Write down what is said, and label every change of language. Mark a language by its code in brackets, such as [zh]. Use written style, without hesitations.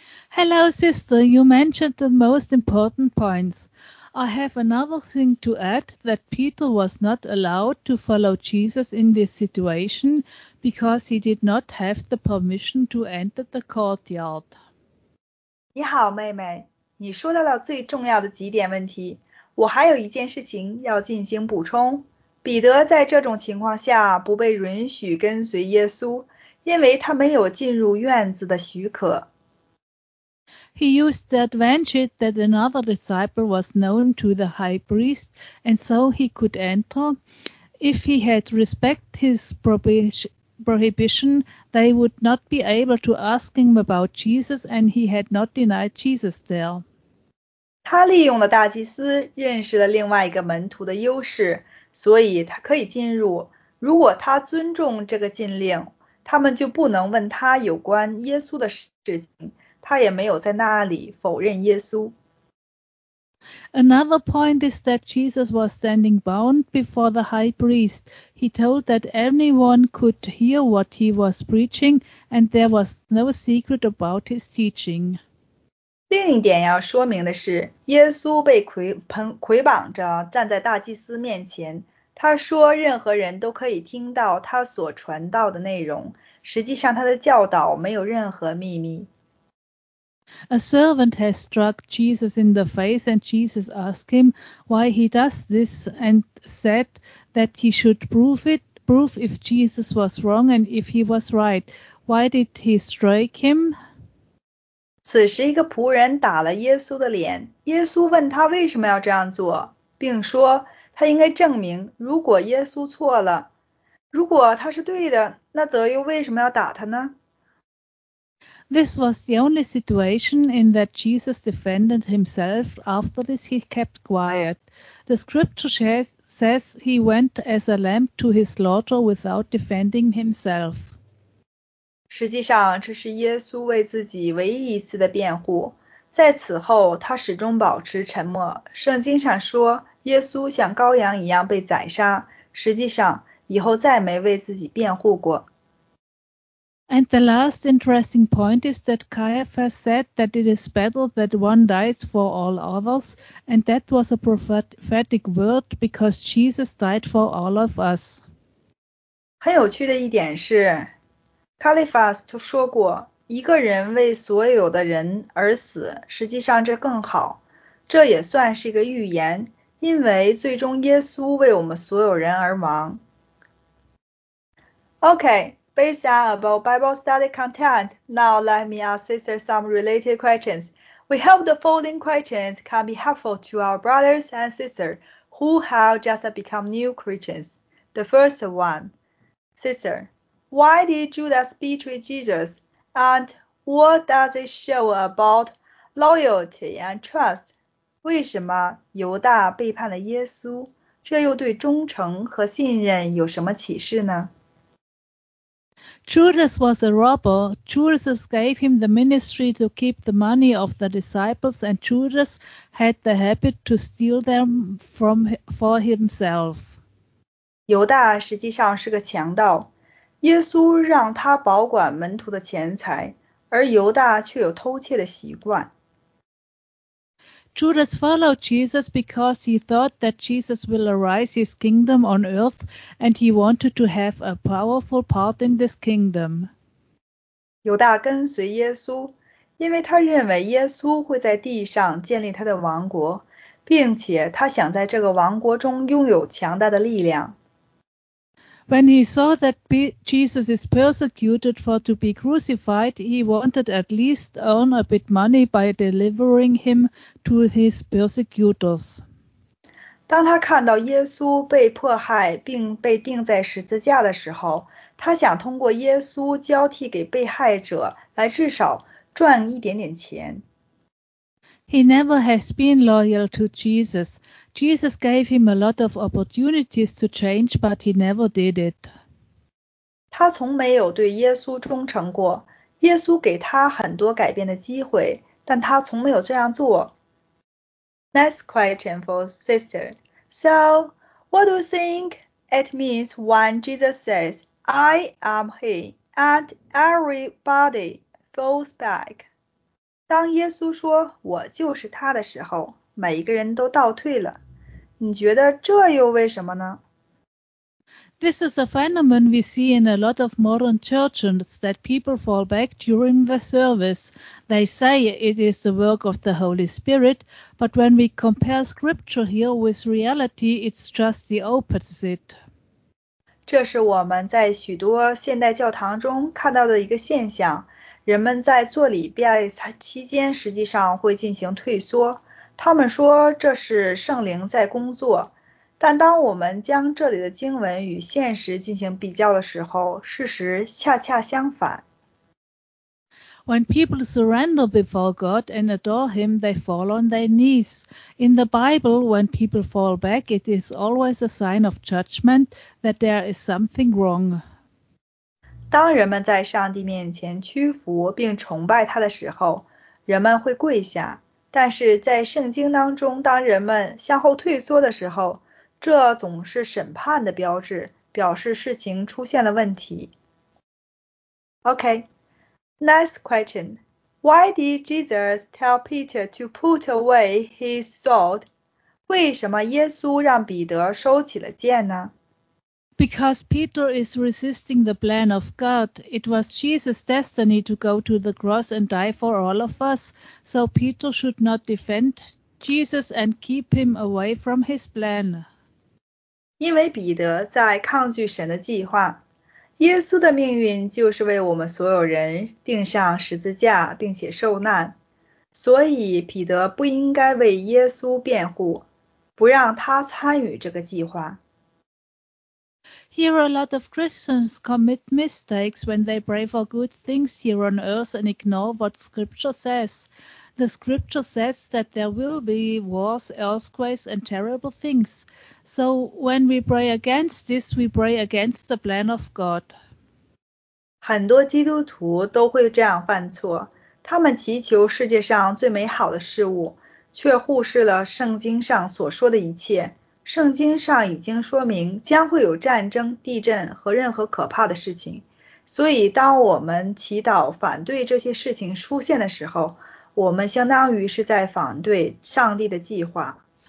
[en] Hello, sister. You mentioned the most important points. I have another thing to add, that Peter was not allowed to follow Jesus in this situation because he did not have the permission to enter the courtyard. [zh] 你好，妹妹，你说到了最重要的几点问题，我还有一件事情要进行补充。彼得在这种情况下不被允许跟随耶稣，因为他没有进入院子的许可。 [en] He used the advantage that another disciple was known to the high priest, and so he could enter. If he had respected his prohibition, they would not be able to ask him about Jesus, and he had not denied Jesus there. [zh] 他利用了大祭司认识了另外一个门徒的优势，所以他可以进入。如果他尊重这个禁令，他们就不能问他有关耶稣的事情。他也没有在那里否认耶稣。 [en] Another point is that Jesus was standing bound before the high priest. He told that anyone could hear what he was preaching, and there was no secret about his teaching. [zh] 另一点要说明的是，耶稣被捆绑着站在大祭司面前。他说任何人都可以听到他所传道的内容。实际上他的教导没有任何秘密。 [en] A servant has struck Jesus in the face, and Jesus asked him why he does this and said that he should prove if Jesus was wrong and if he was right. Why did he strike him? [zh] 此时一个仆人打了耶稣的脸，耶稣问他为什么要这样做，并说他应该证明如果耶稣错了，如果他是对的，那则又为什么要打他呢？ [en] This was the only situation in that Jesus defended himself. After this, he kept quiet. The scripture says he went as a lamb to his slaughter without defending himself. [zh] 实际上，这是耶稣为自己唯一一次的辩护。在此后，他始终保持沉默。圣经上说，耶稣像羔羊一样被宰杀。实际上，以后再没为自己辩护过。 [en] And the last interesting point is that Caiaphas said that it is better that one dies for all others, and that was a prophetic word because Jesus died for all of us. [zh] 很有趣的一点是 ,Caiaphas 说过一个人为所有的人而死，实际上这更好。这也算是一个预言，因为最终耶稣为我们所有人而亡。 [en] Okay. Based on about Bible study content, now let me ask sister some related questions. We hope the following questions can be helpful to our brothers and sisters who have just become new Christians. The first one, sister, why did Judas betray Jesus? And what does it show about loyalty and trust? [zh] 为什么犹大背叛了耶稣？这又对忠诚和信任有什么启示呢？ [en] Judas was a robber. Judas gave him the ministry to keep the money of the disciples, and Judas had the habit to steal them for himself. [zh] 犹大实际上是个强盗，耶稣让他保管门徒的钱财，而犹大却有偷窃的习惯。 [en] Judas followed Jesus because he thought that Jesus will arise his kingdom on earth, and he wanted to have a powerful part in this kingdom. [zh] 犹大跟随耶稣，因为他认为耶稣会在地上建立他的王国，并且他想在这个王国中拥有强大的力量。 [en] When he saw that Jesus is persecuted for to be crucified, he wanted at least earn a bit money by delivering him to his persecutors. [zh] 当他看到耶稣被迫害并被钉在十字架的时候，他想通过耶稣交替给被害者来至少赚一点点钱。 [en] He never has been loyal to Jesus. Jesus gave him a lot of opportunities to change, but he never did it. [zh] 他从没有对耶稣忠诚过。耶稣给他很多改变的机会，但他从没有这样做。 [en] Next question for sister. So, what do you think it means when Jesus says, I am he, and everybody falls back? [zh] 当耶稣说我就是他的时候，每一个人都倒退了。你觉得这又为什么呢？ [en] This is a phenomenon we see in a lot of modern churches that people fall back during the service. They say it is the work of the Holy Spirit, but when we compare scripture here with reality, it's just the opposite. [zh] 这是我们在许多现代教堂中看到的一个现象。人们在做礼拜期间实际上会进行退缩，他们说这是圣灵在工作，但当我们将这里的经文与现实进行比较的时候，事实恰恰相反。 [en] When people surrender before God and adore Him, they fall on their knees. In the Bible, when people fall back, it is always a sign of judgment that there is something wrong. [zh] 当人们在上帝面前屈服并崇拜他的时候，人们会跪下。但是在圣经当中，当人们向后退缩的时候，这总是审判的标志，表示事情出现了问题。 [en] Okay, next question. Why did Jesus tell Peter to put away his sword? [zh] 为什么耶稣让彼得收起了剑呢？ [en] Because Peter is resisting the plan of God. It was Jesus' destiny to go to the cross and die for all of us. So Peter should not defend Jesus and keep him away from his plan. [zh] 因为彼得在抗拒神的计划，耶稣的命运就是为我们所有人钉上十字架并且受难。所以彼得不应该为耶稣辩护，不让他参与这个计划。 [en] Here a lot of Christians commit mistakes when they pray for good things here on earth and ignore what scripture says. The scripture says that there will be wars, earthquakes, and terrible things. So when we pray against this, we pray against the plan of God. [zh] 很多基督徒都会这样犯错，他们祈求世界上最美好的事物，却忽视了圣经上所说的一切。圣经上已经说明将会有战争、地震和任何可怕的事情，所以当我们祈祷反对这些事情出现的时候，我们相当于是在反对上帝的计划。